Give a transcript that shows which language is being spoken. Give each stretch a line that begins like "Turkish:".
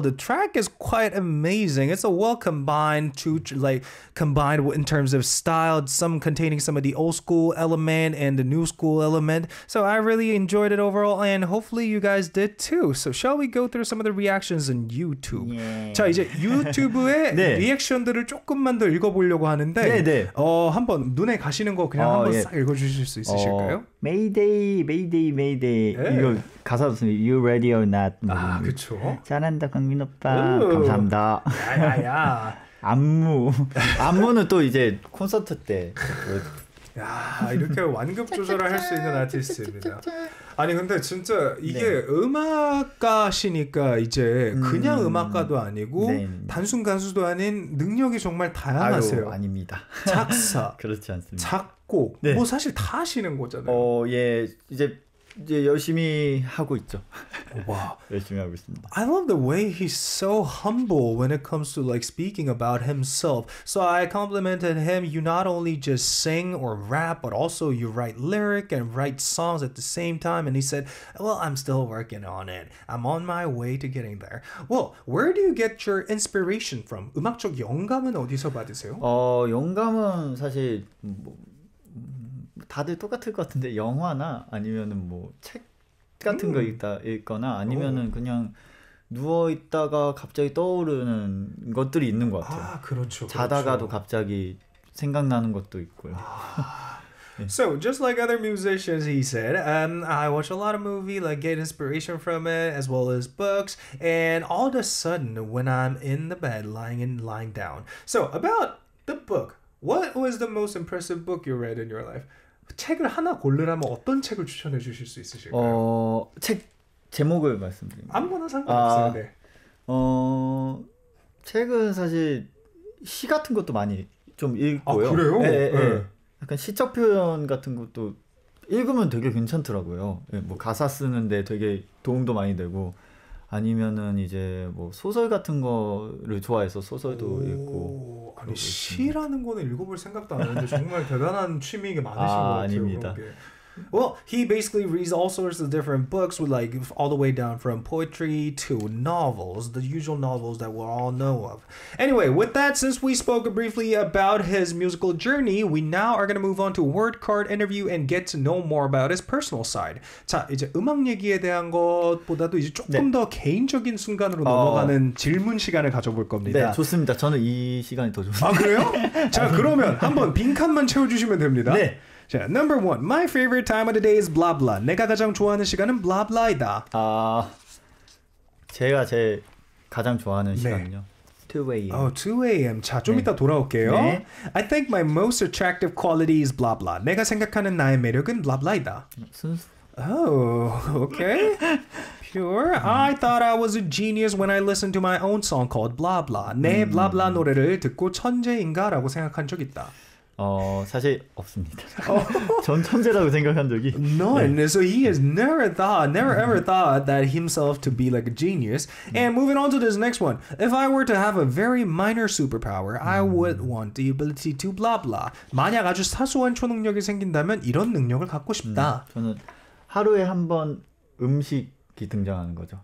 English: The track is quite amazing. It's a well combined, combined in terms of style, some containing some of the old school element and the new school element. So I really enjoyed it overall, and hopefully you guys did too. So shall we go through some of the reactions in YouTube?
Korean: 자 이제 유튜브의 네. 리액션들을 조금만 더 읽어보려고 하는데 네, 네. 한번 눈에 가시는 거 그냥 한번 예. 싹 읽어주실 수 있으실까요? Mayday, Mayday, Mayday. 네. 이거 가사도 있습니다.
English: You ready or not?
Korean: 아 그렇죠. 잘한다 강민 오빠. 오. 감사합니다. 야야야. 안무. 안무는 또 이제 콘서트 때. 야 이렇게 완급 조절을 할 수 있는 아티스트입니다. 아니 근데 진짜 이게 네. 음악가시니까 이제 그냥 음악가도 아니고 네. 단순 가수도 아닌 능력이 정말 다양하세요. 아유, 아닙니다. 작사 그렇지 않습니다. 작곡 네. 뭐 사실 다 하시는 거잖아요. 예 이제 열심히 하고 있죠. 와 열심히 하고 있습니다.
English: I love the way he's so humble when it comes to like speaking about himself. So I complimented him. You not only just sing or rap, but also you write lyric and write songs at the same time. And he said, "Well, I'm still working on it. I'm on my way to getting there." Well, where do you get your inspiration from?
Korean: 음악적 영감은 어디서 받으세요? 영감은 사실 뭐. 다들 똑같을 것 같은데 영화나 아니면은 뭐 책 같은 거 있다 읽거나 아니면은 그냥 누워 있다가 갑자기 떠오르는 것들이 있는 것 같아요. 아, 그렇죠. 자다가도 그렇죠. 갑자기 생각나는 것도 있고요. 아...
English: So, just like other musicians, he said, I watch a lot of movies, like get inspiration from it, as well as books, and all of a sudden, when I'm in the bed, lying down. So, about the book. What was the most impressive book you read in your life?
Korean: 책을 하나 고르라면 어떤 책을 추천해 주실 수 있으실까요? 책 제목을 말씀드립니다. 아무거나 상관없어요. 책은 사실 시 같은 것도 많이 좀 읽고요. 아 그래요? 예, 예, 예. 약간 시적 표현 같은 것도 읽으면 되게 괜찮더라고요. 예, 뭐 가사 쓰는데 되게 도움도 많이 되고 아니면은 이제 뭐 소설 같은 거를 좋아해서 소설도 읽고 아니 시라는 거는 읽어볼 생각도 안 했는데 정말 대단한 취미 많으신 것 같아요. 아닙니다.
English: Well, he basically reads all sorts of different books, with like all the way down from poetry to novels, the usual novels that we all know of. Anyway, with that, since we spoke briefly about his musical journey, we now are going to move on to word card interview and get to know more about his personal side.
Korean: 자, 이제 음악 얘기에 대한 것보다도 이제 조금 네. 더 개인적인 순간으로 넘어가는 질문 시간을 가져볼 겁니다. 네, 좋습니다. 저는 이 시간이 더 좋습니다. 아, 그래요? 자, 그러면 한번 빈칸만 채워주시면 됩니다. 네.
English: 자, number one, my favorite time of the day is blah blah.
Korean: 내가 가장 좋아하는 시간은 blah blah이다. 아, 제가 제 가장 좋아하는 네. 시간은요. 2 a.m.
English: Oh, 2 a.m.
Korean: 자, 좀 네. 이따 돌아올게요. 네.
English: I think my most attractive quality is blah blah.
Korean: 내가 생각하는 나의 매력은 blah blah이다. 순수.
English: Oh, okay. Pure. I thought I was a genius when I listened to my own song called blah blah.
Korean: 내 blah blah 노래를 듣고 천재인가라고 생각한 적 있다. 사실 없습니다. 전 천재라고 생각한 적이
English: none. 네. So he has never ever thought that himself to be like a genius. And moving on to this next one, if I were to have a very minor superpower, I would want the ability to blah blah.
Korean: 만약 아주 사소한 초능력이 생긴다면 이런 능력을 갖고 싶다. 저는 하루에 한 번 음식이 등장하는 거죠.